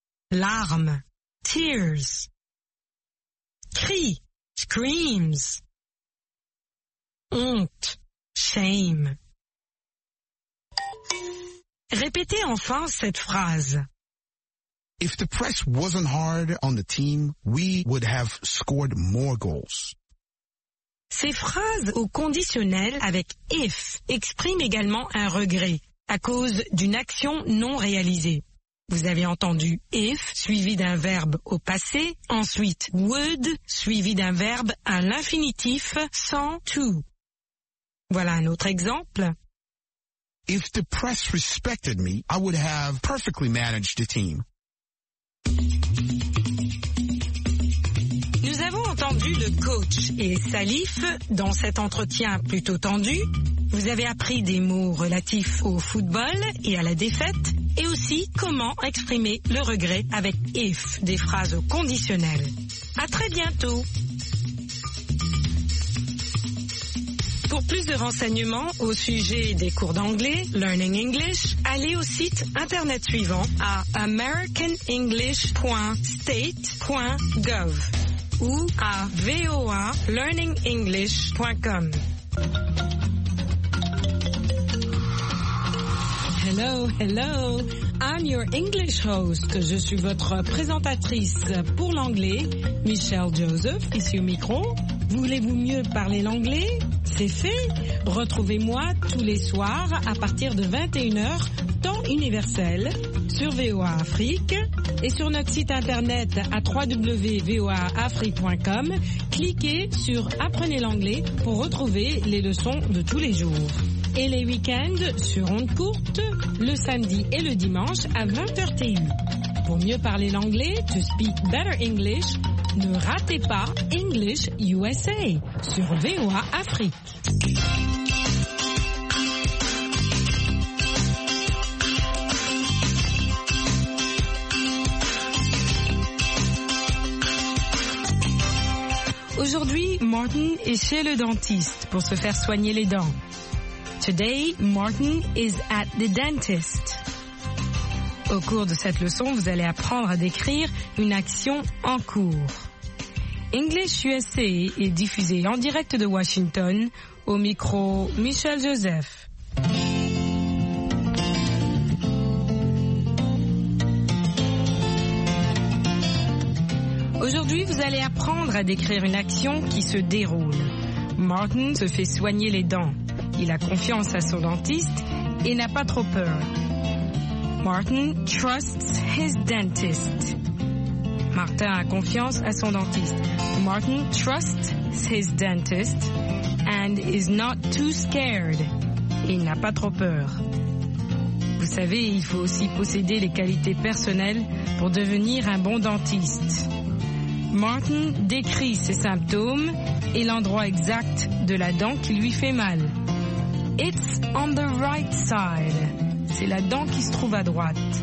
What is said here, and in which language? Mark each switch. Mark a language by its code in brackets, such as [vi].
[fr] Larmes, [en] tears. [fr] Cris, [en] screams. [fr] Honte, [en] shame. [fr] Répétez enfin cette phrase. [en] If the press wasn't hard on the team, we would have scored more goals. [fr] Ces phrases au conditionnel avec if expriment également un regret à cause d'une action non réalisée. Vous avez entendu if suivi d'un verbe au passé, ensuite would suivi d'un verbe à l'infinitif sans to. Voilà un autre exemple. [en] If the press respected me, I would have perfectly managed the team. [fr] Nous avons entendu le coach et Salif dans cet entretien plutôt tendu. Vous avez appris des mots relatifs au football et à la défaite et aussi comment exprimer le regret avec if, des phrases au conditionnel. À très bientôt. Pour plus de renseignements au sujet des cours d'anglais, Learning English, allez au site internet suivant à americanenglish.state.gov ou à voalearningenglish.com. [en] Hello, hello, I'm your English host. [fr] Je suis votre présentatrice pour l'anglais, Michelle Joseph, ici au micro. Voulez-vous mieux parler l'anglais? C'est fait. Retrouvez-moi tous les soirs à partir de 21h, temps universel, sur VOA Afrique et sur notre site internet à www.voaafrique.com. Cliquez sur Apprenez l'anglais pour retrouver les leçons de tous les jours. Et les week-ends sur ondes courtes, le samedi et le dimanche à 20h TU. Pour mieux parler l'anglais, [en] to speak better English, [fr] ne ratez pas English USA sur VOA Afrique. Aujourd'hui, Martin est chez le dentiste pour se faire soigner les dents. [en] Today, Martin is at the dentist. [fr] Au cours de cette leçon, vous allez apprendre à décrire une action en cours. English USA est diffusé en direct de Washington, au micro Michel Joseph. Aujourd'hui, vous allez apprendre à décrire une action qui se déroule. Martin se fait soigner les dents. Il a confiance à son dentiste et n'a pas trop peur. [en] Martin trusts his dentist. [fr] Martin a confiance à son dentiste. [en] Martin trusts his dentist and is not too scared. [fr] Il n'a pas trop peur. Vous savez, il faut aussi posséder les qualités personnelles pour devenir un bon dentiste. Martin décrit ses symptômes et l'endroit exact de la dent qui lui fait mal. [en] It's on the right side. [fr] C'est la dent qui se trouve à droite.